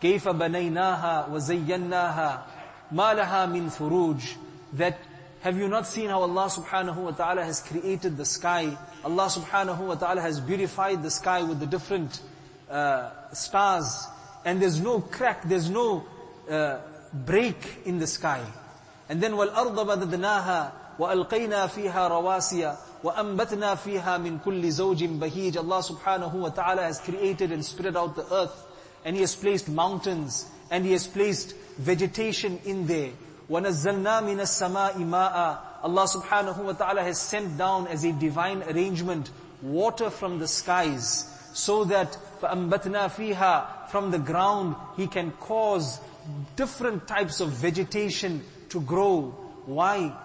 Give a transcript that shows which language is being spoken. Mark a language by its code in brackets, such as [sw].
[ar] كَيْفَ بَنَيْنَاهَا وَزَيَّنَّاهَا مَا لَهَا مِنْ فُرُوجِ, [en] that have you not seen how Allah subhanahu wa ta'ala has created the sky? Allah subhanahu wa ta'ala has beautified the sky with the different stars, and there's no crack, there's no break in the sky. And then [ar] وَالْأَرْضَ بَدَدْنَاهَا وَأَلْقَيْنَا فِيهَا رَوَاسِيَ وَأَنْبَتْنَا فِيهَا مِنْ كُلِّ زَوْجٍ بَهِيجٍ. [en] Allah subhanahu wa ta'ala has created and spread out the earth, and he has placed mountains, and he has placed vegetation in there. [ar] وَنَزَّلْنَا مِنَ السَّمَاءِ مَاءً. [en] Allah subhanahu wa ta'ala has sent down as a divine arrangement water from the skies, so that [ar] فَأَنْبَتْنَا فِيهَا, [en] from the ground he can cause different types of vegetation to grow. Why?